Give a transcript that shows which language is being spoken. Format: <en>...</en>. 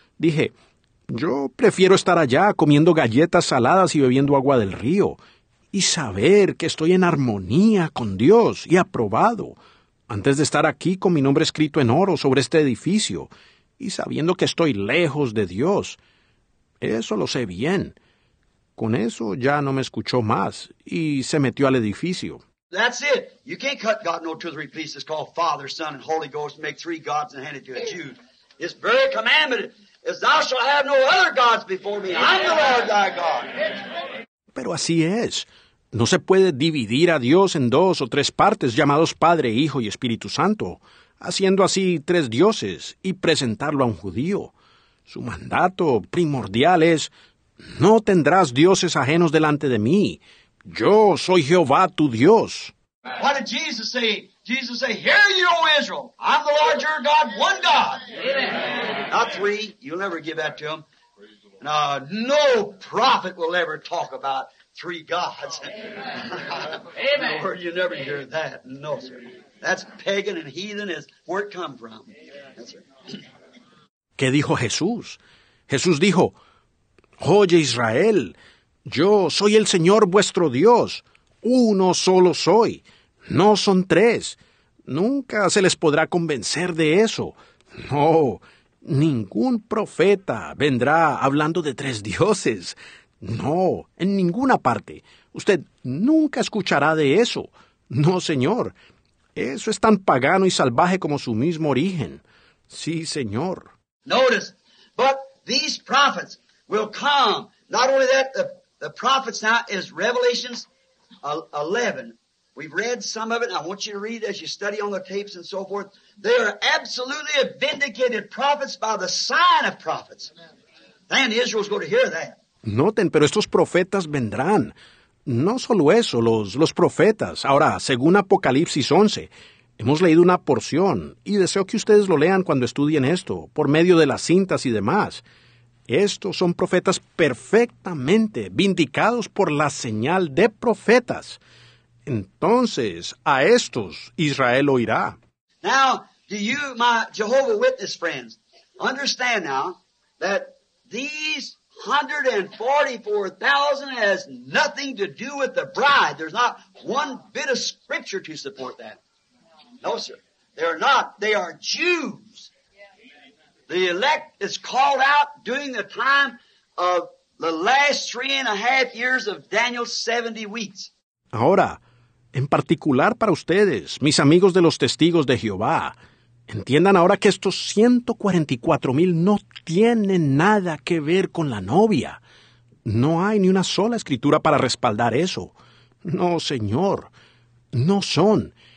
<es>Dije, yo prefiero estar allá comiendo galletas saladas y bebiendo agua del río y saber que estoy en armonía con Dios y aprobado antes de estar aquí con mi nombre escrito en oro sobre este edificio y sabiendo que estoy lejos de Dios. Eso lo sé bien. Con eso ya no me escuchó más y se metió al edificio.</es> <en>That's it. You can't cut God no two or three pieces, call Father, Son, and Holy Ghost, and make three gods and hand it to a Jew. His very commandment is, thou shalt have no other gods before me. I'm the Lord thy God.</en> <es>Pero así es. No se puede dividir a Dios en dos o tres partes, llamados Padre, Hijo y Espíritu Santo, haciendo así tres dioses y presentarlo a un judío. Su mandato primordial es, no tendrás dioses ajenos delante de mí. Yo soy Jehová tu Dios.</es> <en>What did Jesus say? Jesus said, hear you, O Israel. I'm the Lord your God, one God. Amen. Not three. You'll never give that to him. No prophet will ever talk about three gods. Amen. Lord, you never hear that. No, sir. That's pagan and heathen is where it come from. Yes, sir.</en> <es>¿Qué dijo Jesús? Jesús dijo, oye, Israel, yo soy el Señor vuestro Dios. Uno solo soy. No son tres. Nunca se les podrá convencer de eso. No, ningún profeta vendrá hablando de tres dioses. No, en ninguna parte. Usted nunca escuchará de eso. No, señor. Eso es tan pagano y salvaje como su mismo origen. Sí, señor.</es> <en>Notice, but these prophets will come. Not only that, the prophets now is Revelations 11. We've read some of it. I want you to read as you study on the tapes and so forth. They are absolutely vindicated prophets by the sign of prophets. And Israel's going to hear that.</en> <es>Noten, pero estos profetas vendrán. No solo eso, los profetas. Ahora, según Apocalipsis 11, hemos leído una porción y deseo que ustedes lo lean cuando estudien esto, por medio de las cintas y demás. Estos son profetas perfectamente vindicados por la señal de profetas. Entonces, a estos Israel oirá.</es> <en>Now, do you, my Jehovah Witness friends, understand now that these 144,000 has nothing to do with the bride. There's not one bit of scripture to support that. No, sir. They're not. They are Jews. The elect is called out during the time of the last 3.5 years of Daniel's 70 weeks.</en> <es>Ahora, en particular para ustedes, mis amigos de los testigos de Jehová, entiendan ahora que estos 144,000 no tienen nada que ver con la novia. No hay ni una sola escritura para respaldar eso. No, señor, no son.</es>